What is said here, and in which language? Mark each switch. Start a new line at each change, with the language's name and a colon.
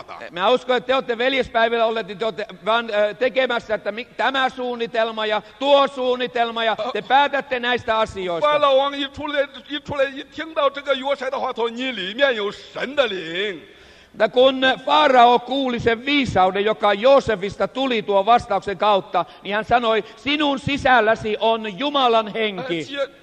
Finnish: Mä uskon, että te olette veljespäivillä olleet, te olette vaan tekemässä, että tämä suunnitelma ja tuo suunnitelma, ja te päätätte näistä asioista.
Chinese: Farao一出来一听到这个约瑟的话说你里面有神的灵.
Finnish: Ja kun farao kuuli sen viisauden, joka Joosefista tuli tuon vastauksen kautta, niin hän sanoi, sinun sisälläsi on Jumalan henki.